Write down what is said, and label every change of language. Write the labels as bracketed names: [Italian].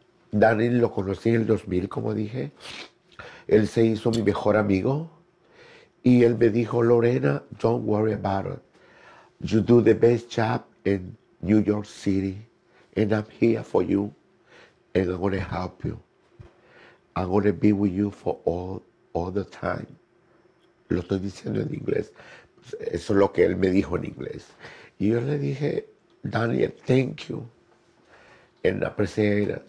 [Spanish] Daniel lo conocí en el 2000, como dije. Él se hizo mi mejor amigo. Y él me dijo, Lorena, [English] don't worry about it. You do the best job in New York City. And I'm here for you. And I'm going to help you. I'm going to be with you for all the time. [Spanish] Lo estoy diciendo en inglés. Eso es lo que él me dijo en inglés. Y yo le dije, [English] Daniel, thank you. And I appreciate it.